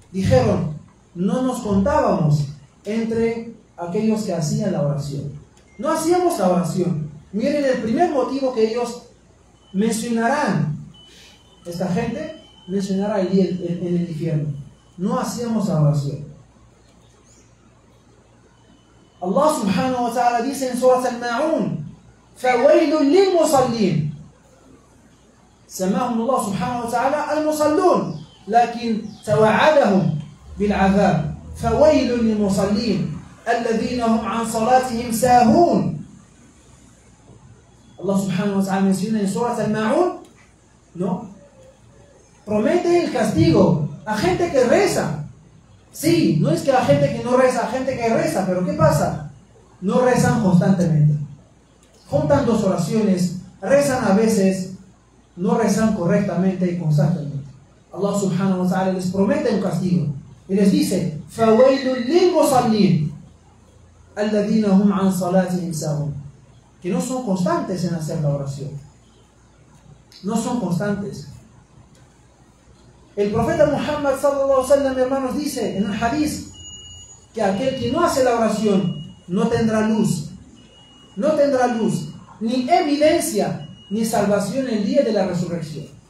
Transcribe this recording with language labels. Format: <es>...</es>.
<es>Dijeron, no nos contábamos entre aquellos que hacían la oración. No hacíamos la oración. Miren el primer motivo que ellos mencionarán. Esta gente mencionará allí en el infierno. No hacíamos la oración. Allah subhanahu wa ta'ala dice en Surah Al-Ma'un,</es> <ar>فَوَيْلٌ لِلْمُصَلِّينَ سماهم الله سبحانه وتعالى المصلون لكن توعدهم بالعذاب فَوَيْلٌ لِلْمُصَلِّينَ الَّذِينَ هُمْ عَنْ صَلَاتِهِمْ سَاهُونَ.</ar> <es>الله سبحانه وتعالى menciona en سورة الماعون, ¿no? Promete el castigo a gente que reza. Sí, no es que la gente que no reza, gente que reza, pero ¿qué pasa? No rezan constantemente. Juntan dos oraciones, rezan a veces, no rezan correctamente y constantemente. Allah subhanahu wa ta'ala les promete un castigo. Y les dice,</es> <ar>فَوَيْلٌ لِلْمُصَلِّينَ الَّذِينَ هُمْ عَنْ صَلَاتِهِمْ سَاهُونَ.</ar> <es>Que no son constantes en hacer la oración. No son constantes. El profeta Muhammad sallallahu alaihi wasallam, hermanos, dice en el hadith que aquel que no hace la oración no tendrá luz. No tendrá luz, ni evidencia, ni salvación el día de la resurrección.</es>